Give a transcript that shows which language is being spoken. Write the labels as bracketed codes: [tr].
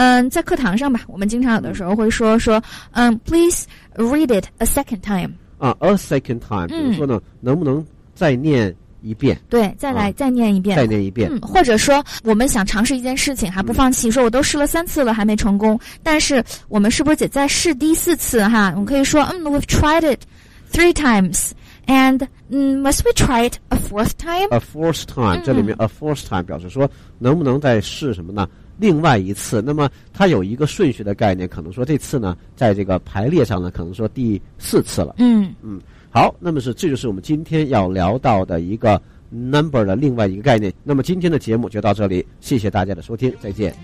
[zh] 在课堂上吧，我们经常有的时候会说， [en] please read it a second time。 a second time。 [zh] 比如说呢，能不能再念一遍？对，再来、再念一遍，再念一遍。或者说，我们想尝试一件事情还不放弃，说我都试了三次了还没成功，但是我们是不是得再试第四次哈？我们可以说， [en] we've tried it。 Three times, and must we try it a fourth time? [zh] A fourth time，这里面 [en] a fourth time [zh] 表示说能不能再试什么呢？另外一次。那么它有一个顺序的概念，可能说这次呢，在这个排列上呢，可能说第四次了。好，那么这就是我们今天要聊到的一个 number 的另外一个概念。那么今天的节目就到这里，谢谢大家的收听，再见。